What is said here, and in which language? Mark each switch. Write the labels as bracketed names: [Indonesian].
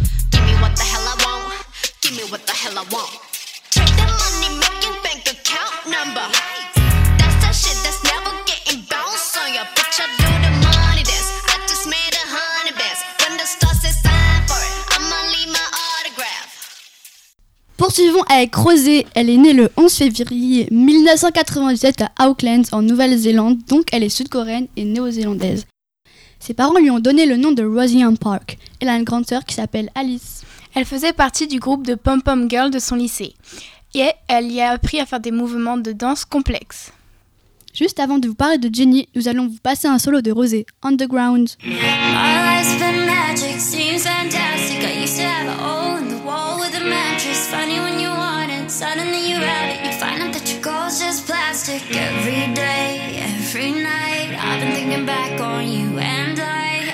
[English] Give me what the hell I want, give me what the hell I want. Check the money making bank account number. That's the shit that's never getting bounced on ya. Bitch, I do the money dance, I just made a 100 bands. When the stars say sign for it, I'ma leave my autograph. [French] Poursuivons avec Rosé. Elle est née le 11 février 1997 à Auckland, en Nouvelle-Zélande, donc elle est sud-coréenne et néo-zélandaise. Ses parents lui ont donné le nom de Rosie Ann Park. Elle a une grande sœur qui s'appelle Alice. Elle faisait partie du groupe de pom-pom girls de son lycée. Et elle y a appris à faire des mouvements de danse complexes. Juste avant de vous parler de Jenny, nous allons vous passer un solo de Rosé, Underground. [English] All eyes for magic seems fantastic. I used to have a hole in the wall with a mattress. Funny when you want it, suddenly you have it. You find out that your goal's just plastic. Every day, every night, I've been thinking back on you and I.